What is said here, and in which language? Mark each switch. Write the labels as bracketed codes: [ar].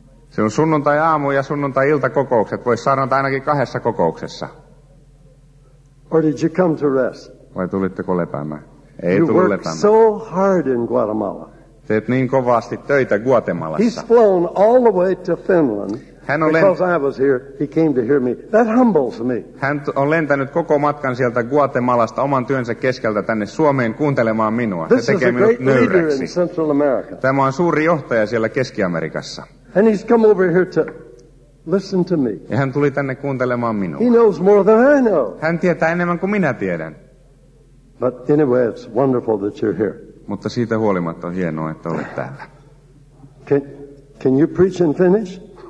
[fi] Se on sunnuntai aamu ja sunnuntai ilta kokoukset. Voisi saarnata ainakin 2 kokouksessa. [en] Or did you come to rest? [fi] Vai tulitteko lepäämään? Ei tullut lepäämään. [en] You worked so hard in Guatemala. [fi] Teet niin kovasti töitä Guatemalassa. [en] He's flown all the way to Finland. Because I was here, he came to hear me. That humbles me. [fi] Hän on lentänyt koko matkan sieltä Guatemalasta oman työnsä keskeltä tänne Suomeen kuuntelemaan minua. [en] This [fi] se tekee minut nöyräksi. Tämä on suuri johtaja siellä Keski-Amerikassa. [en] And he's come over here to listen to me. [fi] Ja hän tuli tänne kuuntelemaan minua. [en] He knows more than I know. [fi] Hän tietää enemmän kuin minä tiedän. [en] But anyway, it's wonderful that you're here. [fi] Mutta siitä huolimatta on hienoa, että olet täällä. [en] Can you preach and finish?